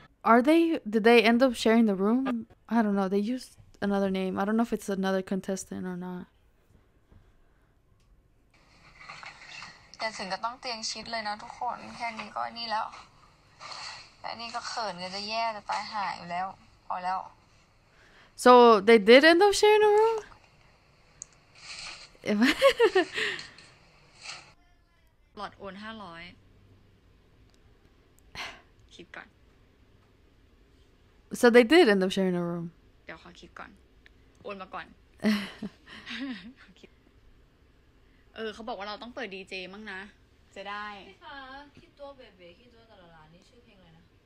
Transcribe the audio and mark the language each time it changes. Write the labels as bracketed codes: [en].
[en] Are they did they end up sharing the room I don't know they used another name I don't know if it's another contestant or not [th] แต่ถึงก็ต้องเตียงชิดเลยนะทุกคนแค่นี้ก็นี่แล้วแค่นี้ก็เขินกันจะแย่จะตายหายอยู่แล้วพอแล้ว [en] So they did end up sharing a room? [th] หลอดโอน500คิดก่อน [en] So they did end up sharing a room? [th] เดี๋ยวขอคิดก่อนโอนมาก่อนเออเขาบอกว่าเราต้องเปิดดีเจมั้งนะจะได้ พี่ ฟ้าคิดตัวเบ๋ๆคิดตัวตลาดนี่ชื่อเพลงอะไรนะ